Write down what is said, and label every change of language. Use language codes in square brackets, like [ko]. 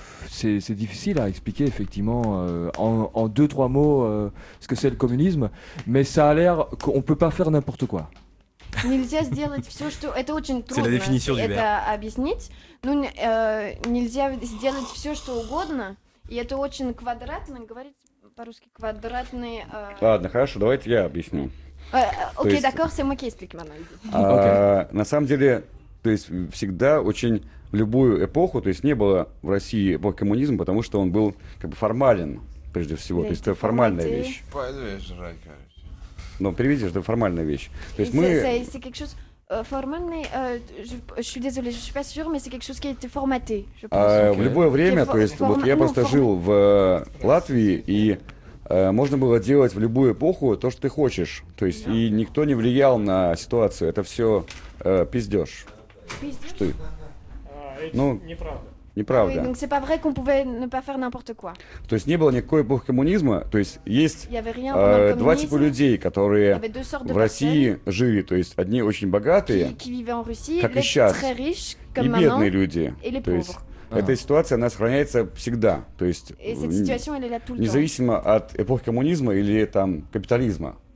[fr] C'est difficile à expliquer, effectivement, en deux, trois mots, ce que c'est le communisme. Mais ça a l'air qu'on ne peut pas faire n'importe quoi. [ru] Нельзя сделать все, что... Это очень трудно. [fr] C'est la définition du [ru] verbe. Объяснить. Нельзя сделать все, что угодно. И это очень квадратно. Говорить по-русски квадратный... Ладно, хорошо, давайте я объясню. [fr] Окей, d'accord, c'est moi qui explique maintenant. [ru] На самом деле, то есть всегда очень... В любую эпоху, то есть не было в России эпохи коммунизма, потому что он был как бы формален, прежде всего. Да, то есть это формальная вещь. Пойду я жрать, короче. Ну, приведи, что это формальная вещь. То есть Это [fr] quelque chose formalный, je suis désolé, je suis pas sûr, mais c'est quelque chose qui était formaté. [ru] В любое время, то есть вот я просто жил в Латвии, и можно было делать в любую эпоху то, что ты хочешь. То есть и никто не влиял на ситуацию, это все пиздёж. Пиздёж? Ну, неправда. [fr] Ah, oui, donc c'est pas vrai qu'on pouvait ne pas faire n'importe quoi. [ru] То есть не было никакой эпохи коммунизма, то есть есть два типа людей, которые в России жили, то есть одни очень богатые, как и сейчас, и бедные люди. То есть эта ситуация, она сохраняется всегда, то есть независимо от эпохи коммунизма или там капитализма.